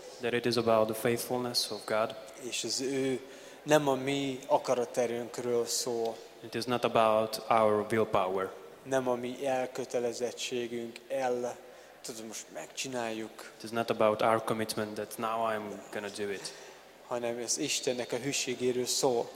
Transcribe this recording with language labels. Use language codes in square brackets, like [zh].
[en] That it is about the faithfulness of God. [hu] És ez ő nem a mi akaraterünkről szól. [en] It is not about our willpower. [hu] Nem a mi elkötelezettségünk, tudom, most megcsináljuk. [en] It is not about our commitment that now I'm gonna do it. [hu] Hanem ez Istennek a hűségéről szól.